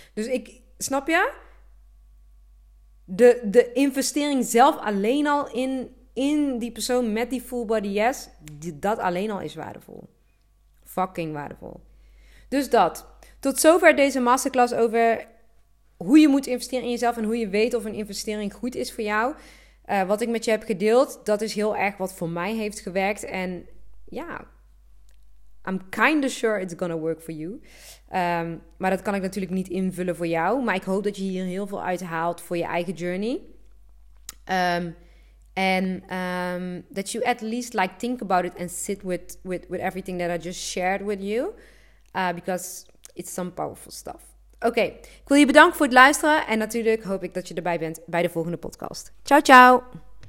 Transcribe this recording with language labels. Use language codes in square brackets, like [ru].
[nl] Dus ik, snap je? De investering zelf alleen al in die persoon met die full body yes. Dat alleen al is waardevol. Fucking waardevol. Dus dat. Tot zover deze masterclass over hoe je moet investeren in jezelf. En hoe je weet of een investering goed is voor jou. Wat ik met je heb gedeeld, dat is heel erg wat voor mij heeft gewerkt. En ja, [en] I'm kind of sure it's gonna work for you. [nl] Maar dat kan ik natuurlijk niet invullen voor jou. Maar ik hoop dat je hier heel veel uithaalt voor je eigen journey. En [en] that you at least like think about it and sit with everything that I just shared with you. Because it's some powerful stuff. [nl] Oké, ik wil je bedanken voor het luisteren. En natuurlijk hoop ik dat je erbij bent bij de volgende podcast. Ciao, ciao!